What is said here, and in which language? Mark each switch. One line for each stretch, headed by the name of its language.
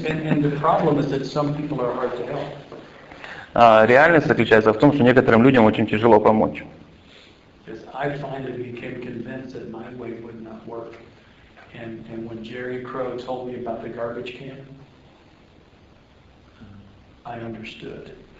English: And the problem is that some people are hard to help.
Russian: Реальность заключается в том, что некоторым людям очень тяжело помочь.
English: Because I finally became convinced that my way would not work. And when Jerry Crow told me about the garbage can, I understood.